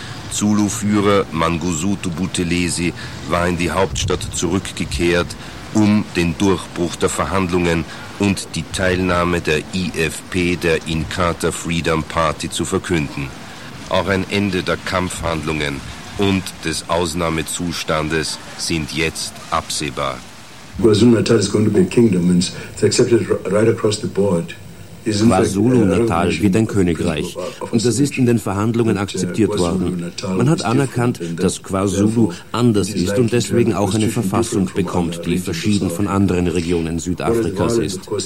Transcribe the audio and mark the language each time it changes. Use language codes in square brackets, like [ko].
[de] Zulu-Führer Mangosuthu Buthelezi war in die Hauptstadt zurückgekehrt, um den Durchbruch der Verhandlungen und die Teilnahme der IFP, der Inkatha Freedom Party, zu verkünden. Auch ein Ende der Kampfhandlungen und des Ausnahmezustandes sind jetzt absehbar. [en] KwaZulu-Natal is going to be a kingdom and it's accepted right across the board. [de] KwaZulu-Natal wird ein Königreich und das ist in den Verhandlungen akzeptiert worden. Man hat anerkannt, dass KwaZulu anders ist und deswegen auch eine Verfassung bekommt, die verschieden von anderen Regionen Südafrikas ist.